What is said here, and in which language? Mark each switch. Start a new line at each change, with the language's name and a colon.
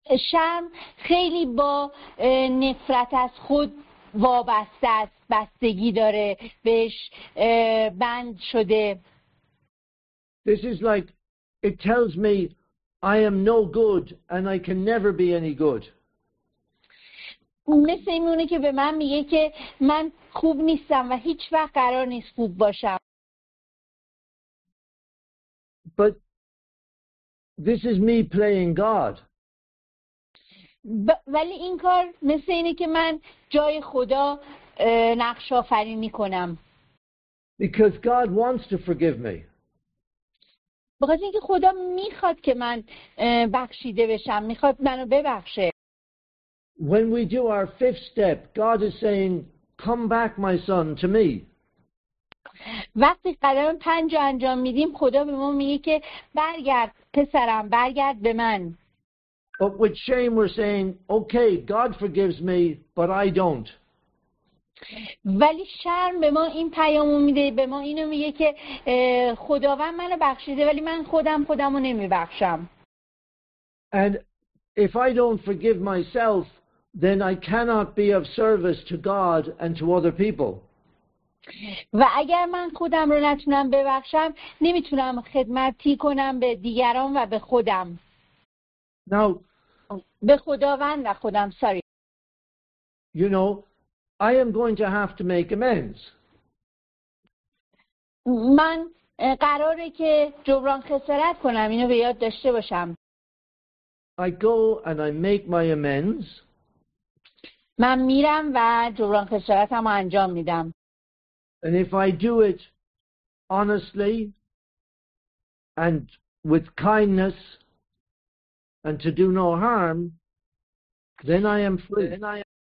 Persian: شرم خیلی با نفرت از خود وابسته است، بستگی داره، بهش بند شده.
English: This is like it tells me I am no good and I can never be any good.
Persian: مثل اینونه که به من میگه که من خوب نیستم و هیچ وقت قرار نیست خوب باشم.
English: But this is me playing God.
Persian: ولی این کار مثل اینه که من جای خدا نقش آفرینی کنم.
English: Because God wants to forgive me.
Persian: بخاطر اینکه خدا میخواد که من بخشیده بشم، میخواد منو ببخشه.
English: When we do our fifth step, God is saying, "Come back, my son, to me."
Persian: وقتی قدم پنج انجام میدیم، خدا به ما میگه که برگرد پسرم، برگرد به من.
English: But with shame, we're saying, "Okay, God forgives me, but I don't."
Persian: ولی شرم به ما این پیامو میده، به ما اینو میگه که خداوند منو بخشیده ولی من خودمو نمیبخشم.
English: And if I don't forgive myself, then I cannot be of service to God and to other people.
Persian: و اگر من خودم رو نتونم ببخشم، نمیتونم خدمتی کنم به دیگران و به خودم.
English: Now,
Persian: به خداوند و خودم،
English: sorry. You know, I am going to have to make amends.
Persian: من قراره که جبران خسارت کنم، اینو به یاد داشته باشم.
English: I go and I make my amends.
Persian: من میرم و جبران خسارتم رو انجام میدم.
English: And if I do it honestly and with kindness and to do no harm, then I am free.